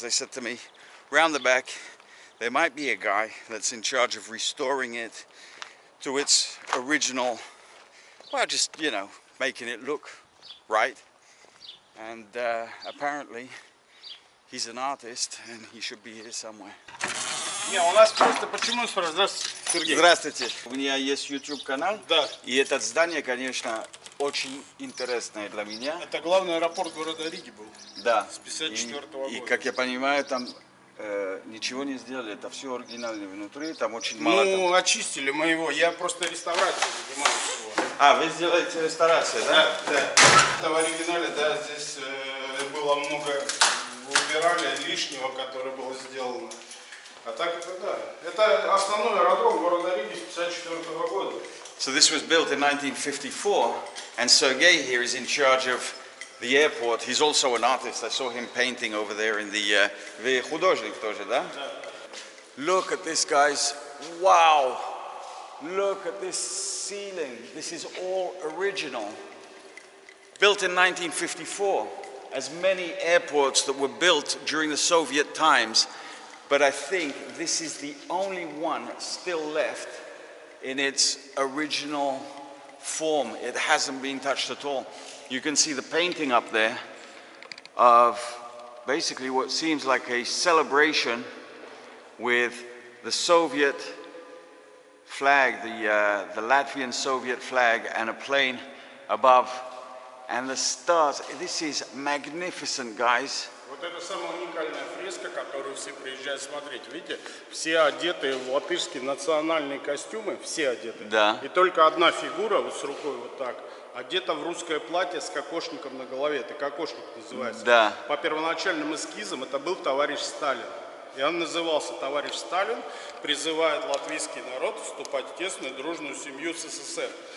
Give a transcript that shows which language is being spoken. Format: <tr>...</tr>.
<en>They said to me, round the back, there might be a guy that's in charge of restoring it to its original, well, just, you know, making it look right. And apparently, he's an artist, and he should be here somewhere. Yeah,</en> <ru>у нас просто почему спрашивают? Сергей. Здравствуйте. У меня есть YouTube канал. Да. И это здание, конечно, очень интересное для меня. Это главный аэропорт города Риги был. Да. С 54-го года. И как я понимаю, там ничего не сделали, это все оригинальное внутри, там очень мало. Ну, там очистили моего, я просто реставрацию занимаюсь его. А, вы сделаете реставрацию, да? Да, да. Это в оригинале, да, здесь было много, убирали лишнего, которое было сделано. А так это да. Это основной аэродром города Риги 54-го года.</ru> <en>So this was built in 1954, and Sergei here is in charge of the airport. He's also an artist. I saw him painting over there in the</en> <ru>Вы художник тоже, да?</ru> <en>Look at this, guys. Wow! Look at this ceiling. This is all original. Built in 1954, as many airports that were built during the Soviet times, but I think this is the only one still left in its original form. It hasn't been touched at all. You can see the painting up there of basically what seems like a celebration with the Soviet flag, the Latvian Soviet flag, and a plane above, and the stars. This is magnificent, guys.</en> <ru>Вот это самая уникальная фреска, которую все приезжают смотреть. Видите, все одеты в латышские национальные костюмы, все одеты. Да. И только одна фигура вот с рукой вот так. Одета в русское платье с кокошником на голове. Это кокошник называется. Да. По первоначальным эскизам это был товарищ Сталин. И он назывался товарищ Сталин, призывает латвийский народ вступать в тесную дружную семью с СССР.</ru>